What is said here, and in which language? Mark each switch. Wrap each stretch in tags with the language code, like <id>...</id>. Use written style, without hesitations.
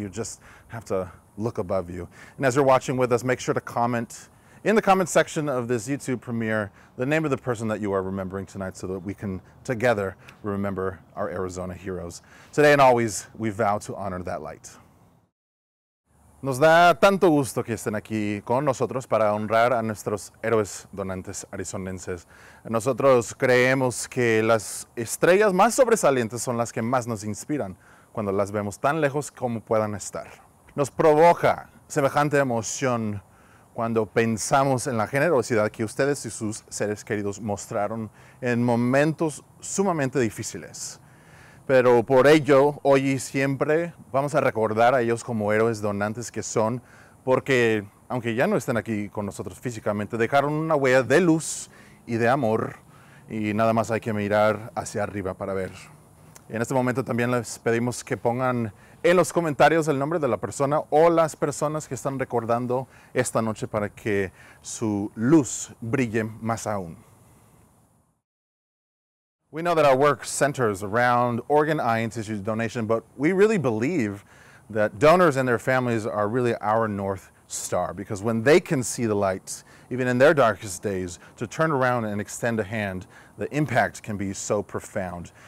<en>You just have to look above you. And as you're watching with us, make sure to comment in the comment section of this YouTube premiere the name of the person that you are remembering tonight so that we can together remember our Arizona heroes. Today and always, we vow to honor that light.</en> <es>Nos da tanto gusto que estén aquí con nosotros para honrar a nuestros héroes donantes arizonenses. Nosotros creemos que las estrellas más sobresalientes son las que más nos inspiran cuando las vemos tan lejos como puedan estar. Nos provoca semejante emoción cuando pensamos en la generosidad que ustedes y sus seres queridos mostraron en momentos sumamente difíciles. Pero por ello, hoy y siempre, vamos a recordar a ellos como héroes donantes que son, porque, aunque ya no estén aquí con nosotros físicamente, dejaron una huella de luz y de amor, y nada más hay que mirar hacia arriba para ver. En este momento también les pedimos que pongan en los comentarios el nombre de la persona o las personas que están recordando esta noche para que su luz brille más aún.</es> <en>We know that our work centers around organ, eye, and tissue donation, but we really believe that donors and their families are really our North Star, because when they can see the light, even in their darkest days, to turn around and extend a hand, the impact can be so profound.</en>